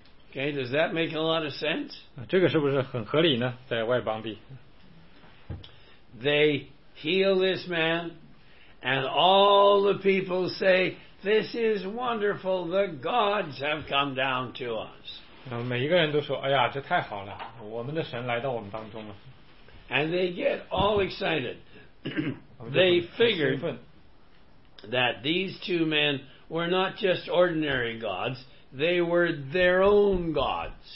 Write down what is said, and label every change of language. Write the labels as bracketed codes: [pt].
[en] Okay, does that make a lot of sense? [zh] 这个是不是很合理呢？在外邦地。 [en] They heal this man, and all the people say, "This is wonderful. The gods have come down to us." [zh] 每一个人都说，哎呀，这太好了，我们的神来到我们当中了。 [en] And they get all excited. They figured that these two men were not just ordinary gods, they were their own gods.